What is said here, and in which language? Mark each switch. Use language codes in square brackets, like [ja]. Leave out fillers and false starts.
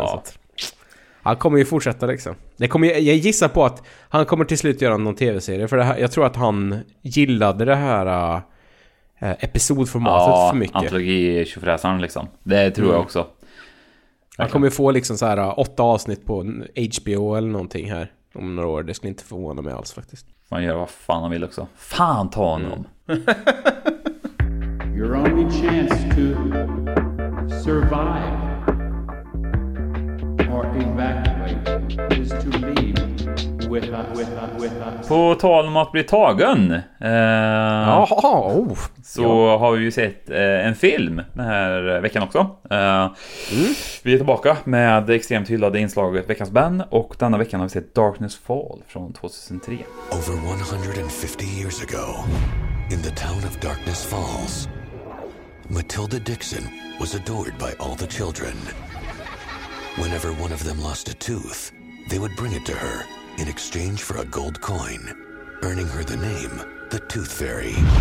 [sv] Ja. Så att, han kommer ju fortsätta liksom. Jag gissar på att han kommer till slut göra någon tv-serie, för det här, jag tror att han gillade det här... episodformatet för mycket. Antologi 24-sarn liksom. Det tror jag också. Han kommer ju få liksom så här 8 avsnitt på HBO eller någonting här om några år. Det skulle inte förvåna mig alls faktiskt. Man gör vad fan han vill också. Fan ta honom. [en] Your only chance to survive or evacuate is to leave. With us. [sv] På tal om att bli tagen har vi ju sett en film den här veckan också. Vi är tillbaka med extremt hyllade inslaget Veckans band. Och denna veckan har vi sett Darkness Fall från 2003. [en] Over 150 years ago, in the town of Darkness Falls, Matilda Dixon was adored by all the children. Whenever one of them lost a tooth, they would bring it to her in exchange for a gold coin, earning her the name the Tooth Fairy.